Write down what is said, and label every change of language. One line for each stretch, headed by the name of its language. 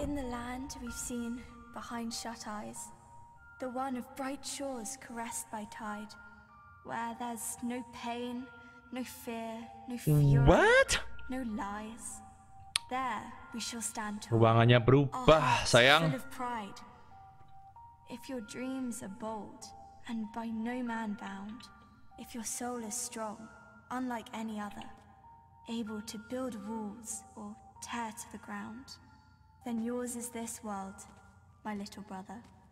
English: In the land we've seen behind shut eyes, the one of bright shores caressed by tide, where there's no pain, no fear, no fury, what? No lies. There we shall stand.
Indonesian: Ruangannya berubah, sayang.
English: If your dreams are bold and by no man bound, if your soul is strong, unlike any other, able to build walls or tear to the ground. Then yours is this world, my little brother.